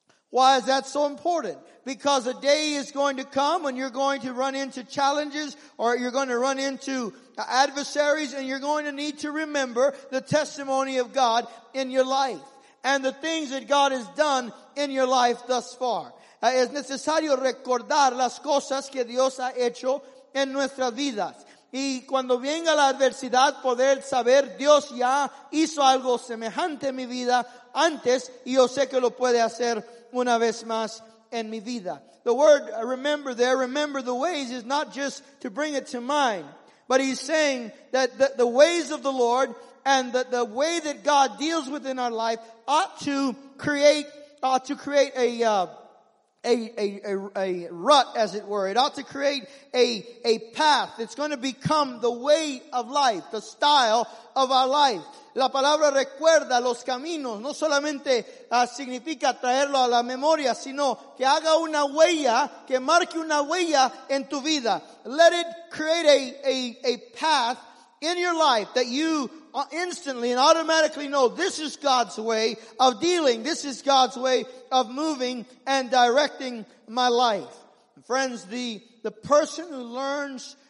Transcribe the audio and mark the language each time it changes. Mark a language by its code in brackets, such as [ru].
[en] Why is that so important? Because a day is going to come when you're going to run into challenges or you're going to run into adversaries and you're going to need to remember the testimony of God in your life and the things that God has done in your life thus far. [es] Es necesario recordar las cosas que Dios ha hecho en nuestras vidas. Y cuando venga la adversidad, poder saber Dios ya hizo algo semejante en mi vida antes y yo sé que lo puede hacer una vez más en mi vida. [en] The word remember there, remember the ways, is not just to bring it to mind. But he's saying that the ways of the Lord and the way that God deals within our life ought to create a rut, as it were. It ought to create a path that's going to become the way of life, the style of our life. [es] La palabra recuerda los caminos no solamente significa traerlo a la memoria, sino que haga una huella, que marque una huella en tu vida. [en] Let it create a path in your life that you instantly and automatically know this is God's way of dealing. This is God's way of moving and directing my life. And friends, the person who learns